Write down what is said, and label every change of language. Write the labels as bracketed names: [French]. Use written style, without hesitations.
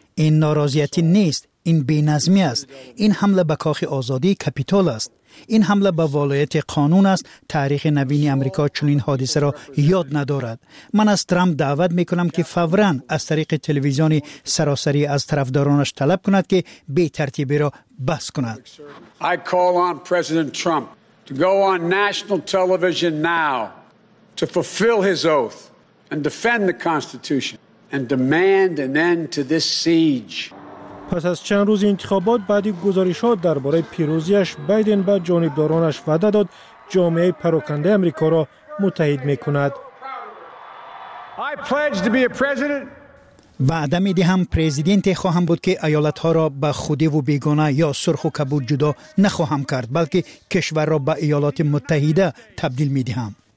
[Persian] این ناراضیتی نیست، این بی‌نظمی است. این حمله به کاخ آزادی کاپیتول است. این حمله به ولایت قانون است. تاریخ نوین آمریکا چنین حادثه را یاد ندارد. من از ترامپ دعوت می کنم که فوراً از طریق تلویزیون سراسری از طرفدارانش طلب کند که بی ترتیبی را بس کند. [English] I call on President Trump to go on national television now to fulfill his oath and defend the constitution and demand an end to this siege. [Persian] پس از چند روز انتخابات، بعدی گزارشات درباره پیروزیش، بایدن به جانبدارانش وعده داد جامعه پراکنده آمریکا را متحد میکند. وعده می دهم پرزیدنت خواهم بود که ایالت ها را به خودی و بیگانه یا سرخ و کبود جدا نخواهم کرد، بلکه کشور را به ایالات متحده تبدیل می دهم.